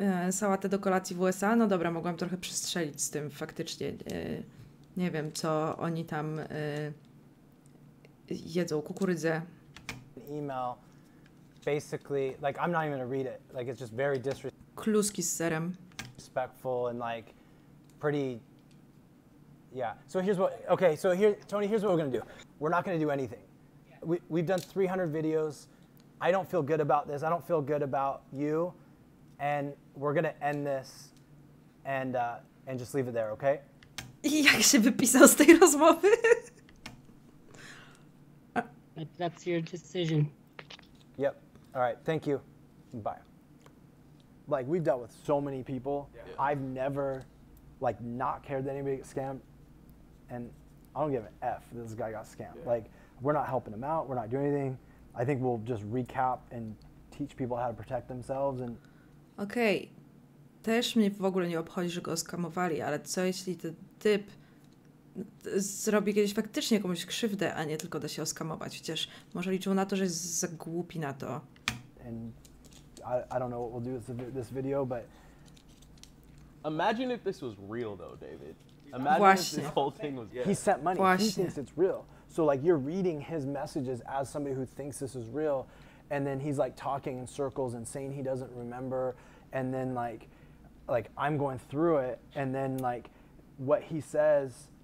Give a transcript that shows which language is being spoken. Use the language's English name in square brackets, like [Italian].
[Polish] Sałatę do kolacji w USA? No dobra, mogłam trochę przestrzelić z tym faktycznie. Nie wiem, co oni tam jedzą, kukurydzę. [English] E-mail. Basically, like, I'm not even gonna read it. Like, it's just very [Polish] Kluski z serem. [English] Respectful and, like, pretty, yeah. So here's what, okay, so here, Tony, here's what we're gonna do. We're not gonna do anything. We've done 300 videos. I don't feel good about this. I don't feel good about you. And we're gonna end this and just leave it there, okay? [Polish] Jak się wypisał z tej rozmowy? [English] That's your decision. Yep. All right, thank you. Bye. Like, we've dealt with so many people. Yeah. I've never, like, not cared that anybody gets scammed. And I don't give an F that this guy got scammed. Yeah. Like, we're not helping him out. We're not doing anything. I think we'll just recap and teach people how to protect themselves. And okay. [Polish] Też mnie w ogóle nie obchodzi, że go skamowali, ale co jeśli ten typ zrobi kiedyś faktycznie komuś krzywdę, a nie tylko da się oskamować. Chociaż może liczył na to, że jest za głupi na to. [English] And I don't know what we'll do with this video, but imagine if this was real, though, David. Imagine [Polish] Właśnie. [English] If this whole thing was. Yeah. He sent money. [Polish] Właśnie. [English] He thinks it's real. So like you're reading his messages as somebody who thinks this is real, and then he's like talking in circles and saying he doesn't remember, and then like I'm going through it, and then like what he says.